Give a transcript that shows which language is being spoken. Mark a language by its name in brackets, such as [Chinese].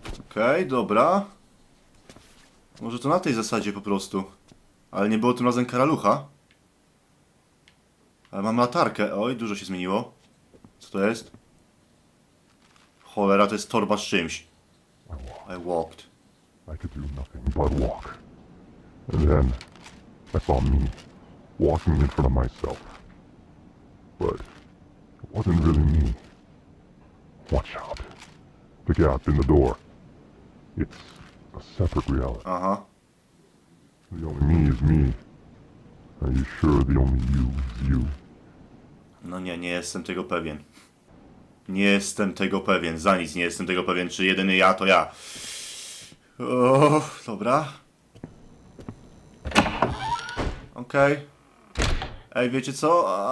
[Polish] Okej, okay, dobra. Może to na tej zasadzie po prostu. Ale nie było tym razem karalucha. Ale mam latarkę. Oj, dużo się zmieniło. Co to jest? Cholera, to jest torba z czymś. [English] I walked. I could do nothing but walk. And then I saw me walking in front of myself. But it wasn't really me. Watch out. The gap in the door. It's a separate reality. Aha. The only me is me. Are you sure the only you is you? [Polish] No nie, nie jestem tego pewien. Nie jestem tego pewien, za nic nie jestem tego pewien, czy jedyny ja to ja. O, dobra. Okej. Okay. Ej, wiecie co?